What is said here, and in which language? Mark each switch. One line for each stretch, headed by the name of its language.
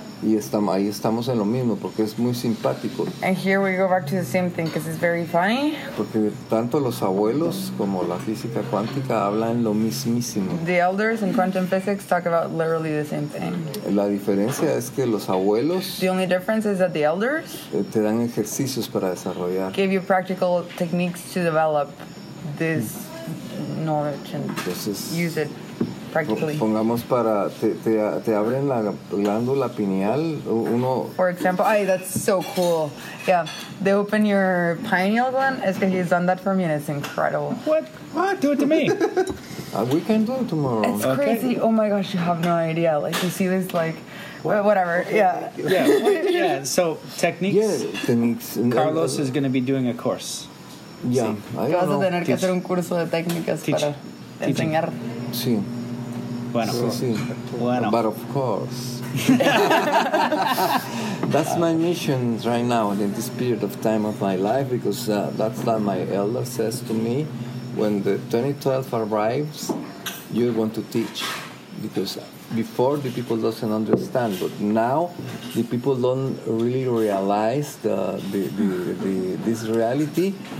Spanish: Y ahí estamos en lo mismo porque es muy simpático.
English: And here we go back to the same thing because it's very funny.
Spanish: Porque tanto los abuelos como la física cuántica hablan lo mismísimo.
English: The elders in quantum physics talk about literally the same thing.
Spanish: La diferencia es que los abuelos.
English: The only difference is that the elders.
Spanish: Te dan ejercicios para desarrollar.
English: Give you practical techniques to develop this knowledge and
Spanish: entonces,
English: use it.
Spanish: Pongamos para te abren la glándula pineal uno.
English: For example, ay, that's so cool. Yeah, they open your pineal gland.
Spanish: Es que
English: he's done that for me and it's incredible. What? Do it to me. We can do it tomorrow. It's okay. Crazy. Oh my gosh, you have no idea. Like you see this, like what? Whatever. Okay. Yeah. Yeah. So techniques. Yeah, techniques. Carlos is going to be doing a course. Yeah.
Spanish: Sí. Vas a tener que hacer un curso de técnicas para enseñar. Sí. Bueno. Sí. Bueno.
English: But of course. That's my mission right now in this period of time of my life because that's what my elder says to me. When the 2012 arrives, you're going to teach. Because before the people doesn't understand, but now the people don't really realize the this reality.